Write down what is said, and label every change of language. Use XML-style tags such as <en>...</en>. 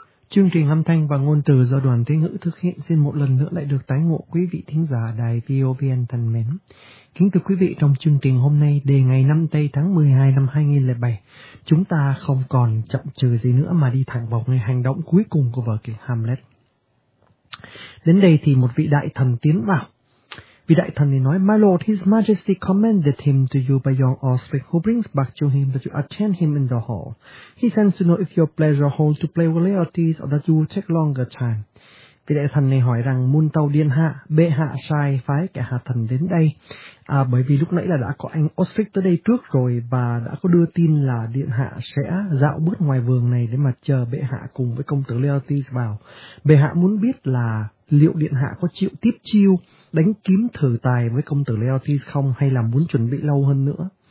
<vi>Chương trình âm thanh và ngôn từ do Đoàn Thế Ngữ thực hiện xin một lần nữa lại được tái ngộ quý vị thính giả đài VOVN thân mến. Kính thưa quý vị, trong chương trình hôm nay đề ngày năm Tây tháng 12 năm 2007, chúng ta không còn chậm chừ gì nữa mà đi thẳng vào ngày hành động cuối cùng của vở kịch Hamlet. Đến đây thì một vị đại thần tiến vào. Vị đại thần thì nói,</vi> <en>My Lord, His Majesty commended him to you by your aspect, who brings back to him that you attend him in the hall. He sends to know if your pleasure hold to play with Laertes or that you will take longer time.</en> <vi>Vị đại thần này hỏi rằng, Môn tàu điên hạ, bệ hạ sai phái kẻ hạ thần đến đây. Bởi vì lúc nãy là đã có anh Osric tới đây trước rồi và đã có đưa tin là điện hạ sẽ dạo bước ngoài vườn này để mà chờ bệ hạ cùng với công tử Laertes vào. Bệ hạ muốn biết là liệu điện hạ có chịu tiếp chiêu đánh kiếm thử tài với công tử Laertes không hay là muốn chuẩn bị lâu hơn nữa.</vi>